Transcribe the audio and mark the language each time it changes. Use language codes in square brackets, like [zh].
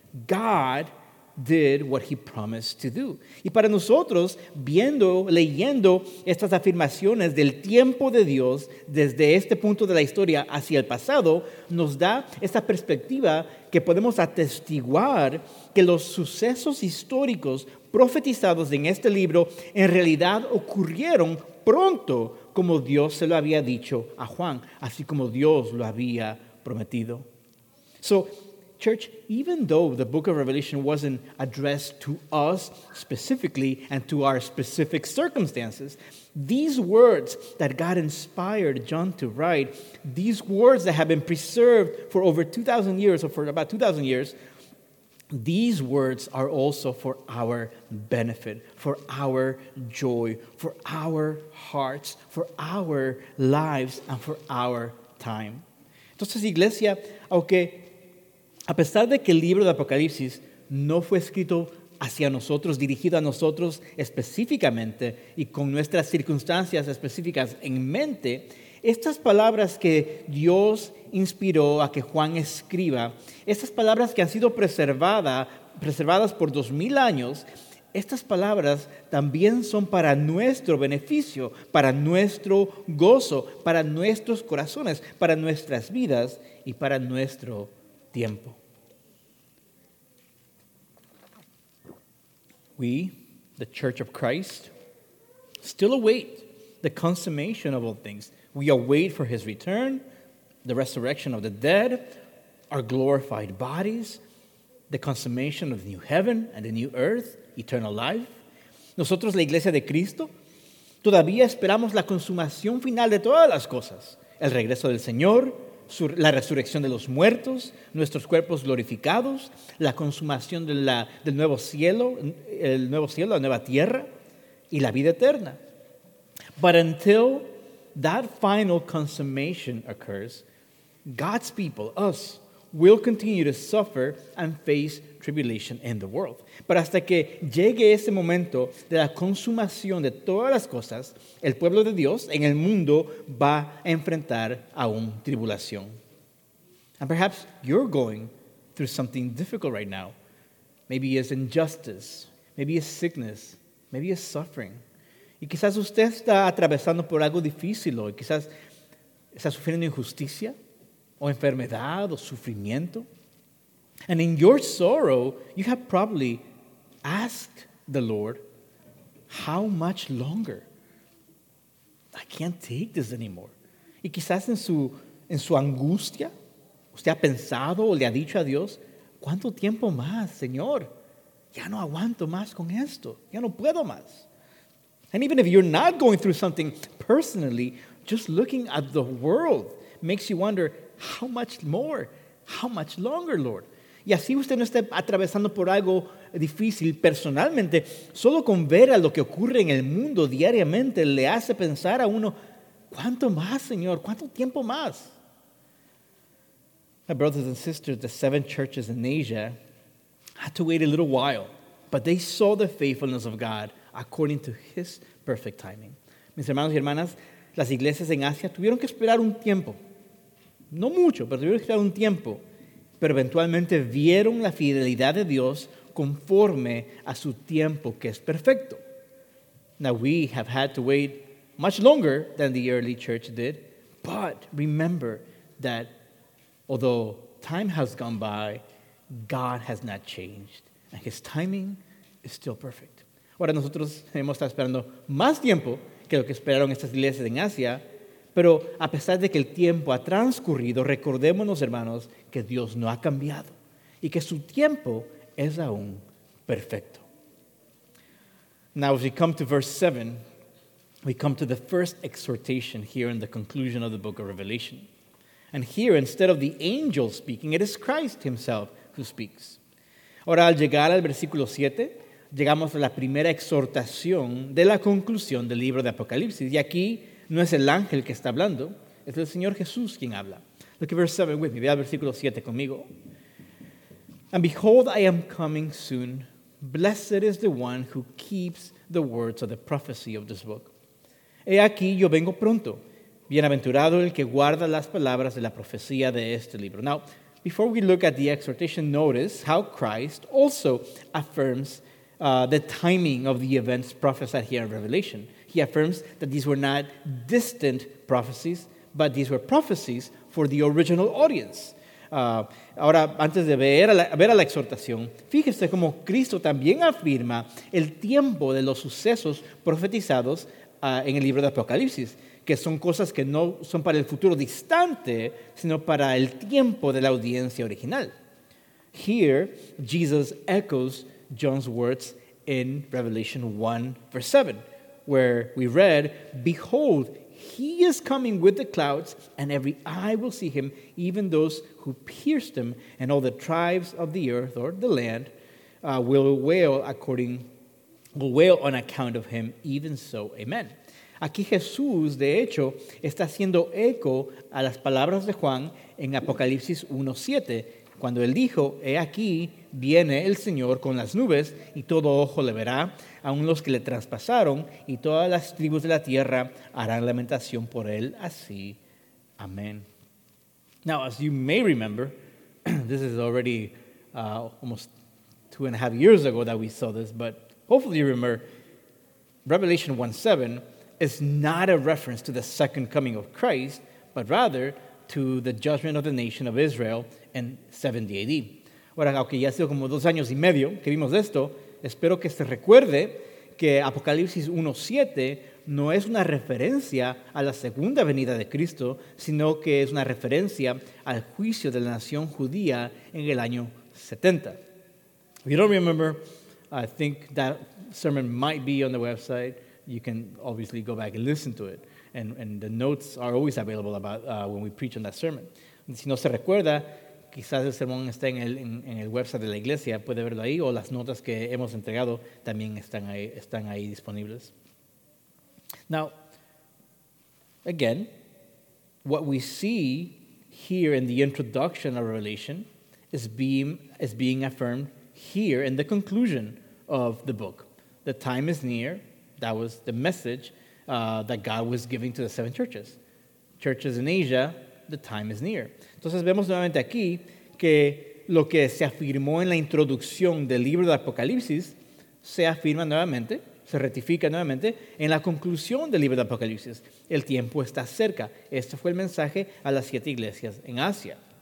[en] God did what he promised to do. [es] Y para nosotros, viendo, leyendo estas afirmaciones del tiempo de Dios desde este punto de la historia hacia el pasado, nos da esta perspectiva que podemos atestiguar que los sucesos históricos profetizados en este libro en realidad ocurrieron pronto, como Dios se lo había dicho a Juan, así como Dios lo había prometido. [en] So, church, even though the book of Revelation wasn't addressed to us specifically and to our specific circumstances, these words that God inspired John to write, these words that have been preserved for over 2,000 years, or for about 2,000 years, these words are also for our benefit, for our joy, for our hearts, for our lives, and for our time. [es] Entonces, iglesia, aunque a pesar de que el libro de Apocalipsis no fue escrito hacia nosotros, dirigido a nosotros específicamente y con nuestras circunstancias específicas en mente, estas palabras que Dios inspiró a que Juan escriba, estas palabras que han sido preservadas por 2,000 años, estas palabras también son para nuestro beneficio, para nuestro gozo, para nuestros corazones, para nuestras vidas y para nuestro tiempo. [en] We, the Church of Christ, still await the consummation of all things. We await for His return, the resurrection of the dead, our glorified bodies, the consummation of the new heaven and the new earth, eternal life. [es] Nosotros, la Iglesia de Cristo, todavía esperamos la consumación final de todas las cosas, el regreso del Señor, la resurrección de los muertos, nuestros cuerpos glorificados, la consumación de del nuevo cielo, el nuevo cielo, la nueva tierra y la vida eterna. [en] But until that final consummation occurs, God's people, us, will continue to suffer and face tribulation in the world. [es] Pero hasta que llegue ese momento de la consumación de todas las cosas, el pueblo de Dios en el mundo va a enfrentar aún tribulación. [en] And perhaps you're going through something difficult right now. Maybe it's injustice, maybe it's sickness, maybe it's suffering. [es] Y quizás usted está atravesando por algo difícil hoy, quizás está sufriendo injusticia, o enfermedad, o sufrimiento. [en] And in your sorrow, you have probably asked the Lord, how much longer? I can't take this anymore. [es] Y quizás en su angustia, usted ha pensado o le ha dicho a Dios, ¿cuánto tiempo más, Señor? Ya no aguanto más con esto. Ya no puedo más. [en] And even if you're not going through something personally, just looking at the world makes you wonder, how much more? How much longer, Lord? [es] Y así usted no esté atravesando por algo difícil personalmente, solo con ver a lo que ocurre en el mundo diariamente le hace pensar a uno, ¿cuánto más, Señor? ¿Cuánto tiempo más? [en] My brothers and sisters, the seven churches in Asia had to wait a little while, but they saw the faithfulness of God according to His perfect timing. [es] Mis hermanos y hermanas, las iglesias en Asia tuvieron que esperar un tiempo. No mucho, pero tuvieron que esperar un tiempo. Pero eventualmente vieron la fidelidad de Dios conforme a su tiempo, que es perfecto. [en] Now we have had to wait much longer than the early church did. But remember that although time has gone by, God has not changed. And His timing is still perfect. [es] Ahora nosotros hemos estado esperando más tiempo que lo que esperaron estas iglesias en Asia. Pero a pesar de que el tiempo ha transcurrido, recordémonos, hermanos, que Dios no ha cambiado y que su tiempo es aún perfecto. [en] Now, as we come to verse 7, we come to the first exhortation here in the conclusion of the book of Revelation. And here, instead of the angel speaking, it is Christ himself who speaks. [es] Ahora, al llegar al versículo 7, llegamos a la primera exhortación de la conclusión del libro de Apocalipsis. Y aquí no es el ángel que está hablando, es el Señor Jesús quien habla. [en] Look at verse 7 with me. [es] Ve al versículo 7 conmigo. [en] And behold, I am coming soon. Blessed is the one who keeps the words of the prophecy of this book. [es] He aquí, yo vengo pronto. Bienaventurado el que guarda las palabras de la profecía de este libro. [en] Now, before we look at the exhortation, notice how Christ also affirms the timing of the events prophesied here in Revelation. He affirms that these were not distant prophecies, but these were prophecies for the original audience. [es] Ahora, antes de ver a la exhortación, fíjese cómo Cristo también afirma el tiempo de los sucesos profetizados en el libro de Apocalipsis, que son cosas que no son para el futuro distante, sino para el tiempo de la audiencia original. [en] Here, Jesus echoes John's words in Revelation 1, verse 7. Where we read, behold, he is coming with the clouds, and every eye will see him, even those who pierced him, and all the tribes of the earth, or the land, will wail on account of him, even so, amen. [es] Aquí Jesús, de hecho, está haciendo eco a las palabras de Juan en Apocalipsis 1:7, cuando él dijo, he aquí, viene el Señor con las nubes, y todo ojo le verá, aun los que le traspasaron, y todas las tribus de la tierra harán lamentación por él, así. Amén. [en] Now, as you may remember, this is already almost 2.5 years ago that we saw this, but Hopefully you remember, Revelation 1:7 is not a reference to the second coming of Christ, but rather to the judgment of the nation of Israel in 70 AD. [es] Ahora, aunque ya ha sido como dos años y medio que vimos esto, espero que se recuerde que Apocalipsis 1:7 no es una referencia a la segunda venida de Cristo, sino que es una referencia al juicio de la nación judía en el año 70. [en] If you don't remember, I think that sermon might be on the website. You can obviously go back and listen to it. And the notes are always available about when we preach on that sermon. [es] Si no se recuerda, quizás el sermón está en el website de la iglesia. Puede verlo ahí, o las notas que hemos entregado también están ahí disponibles. [en] Now, again, what we see here in the introduction of Revelation is being affirmed here in the conclusion of the book. The time is near. That was the message that God was giving to the seven churches. Churches in Asia, the time is near. [es] Entonces vemos nuevamente aquí que lo que se afirmó en la introducción del libro de Apocalipsis se afirma nuevamente, se ratifica nuevamente en la conclusión del libro de Apocalipsis. El tiempo está cerca. Este fue el mensaje a las siete iglesias en Asia.